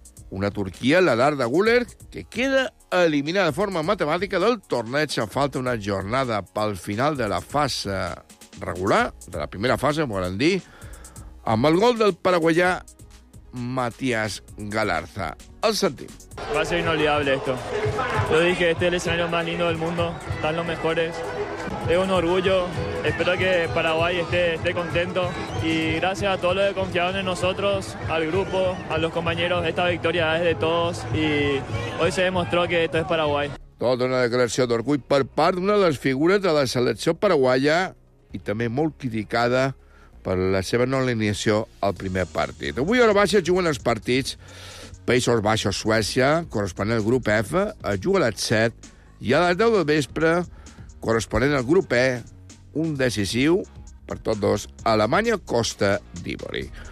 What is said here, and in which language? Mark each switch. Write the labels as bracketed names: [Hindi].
[Catalan] Una Turquia, la d'Arda Güler, que queda eliminada de forma matemàtica del torneig. En falta una jornada pel final de la fase regular, de la primera fase, volen dir, amb el gol del paraguaià Matías Galarza. El sentim. [Spanish] Va ser inolvidable esto. Yo dije, este es el escenario más lindo del mundo. Están los mejores. Es un orgullo. Espero que Paraguay esté contento. Y gracias a todos los que confiaron en nosotros, al grupo, a los compañeros. Esta victoria es de todos. Y hoy se demostró que esto es Paraguay. [Catalan] Tota una declaració d'orgull per part d'una de les figures de la selecció paraguaya i també molt criticada per la seva no alineació al primer partit. Avui a hora baixa juguen els partits Països Baixos, Suècia, corresponent al grup F, es juga a les 7, i a les 10 del vespre, corresponent al grup E, un decisiu per tots dos, Alemanya, Costa d'Ivori.